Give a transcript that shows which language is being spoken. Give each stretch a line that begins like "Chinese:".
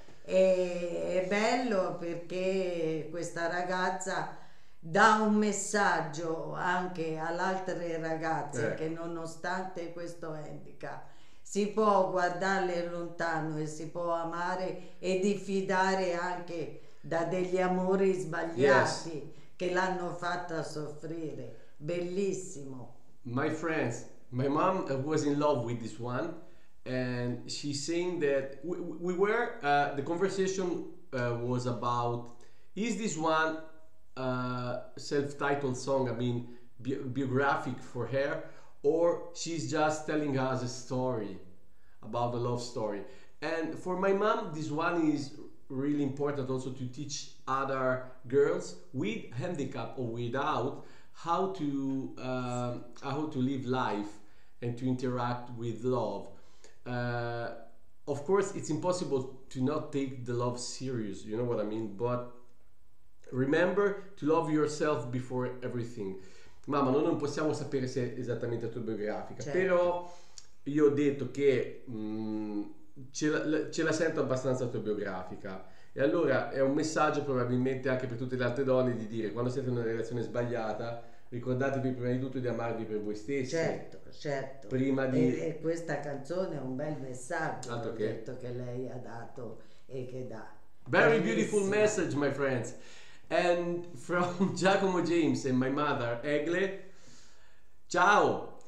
Italian: E è bello perché questa ragazza dà un messaggio anche alle altre ragazze che nonostante questo handicap si può guardarle lontano e si può amare e diffidare anche da degli amori sbagliati che l'hanno fatta soffrire. Bellissimo.
English: My friends, my mom was in love with this one, and she's saying that we were the conversation was about, is this one self-titled song, I mean biographic for her, or she's just telling us a story about a love story. And for my mom, this one is really important also to teach other girls with handicap or without how to live life and to interact with love. Of course, it's impossible to not take the love serious, you know what I mean? But remember to love yourself before everything.
Italian: Mamma, noi non possiamo sapere se è esattamente autobiografica, certo. Però io ho detto che ce la sento abbastanza autobiografica. E allora è un messaggio probabilmente anche per tutte le altre donne di dire, quando siete in una relazione sbagliata, ricordatevi prima di tutto di amarvi per voi stessi. Certo, certo. Prima di... E questa canzone è un bel messaggio, altro che... detto che lei ha dato e che dà.
English: Very beautiful message, my friends. And from Giacomo James and my mother, Egle, ciao!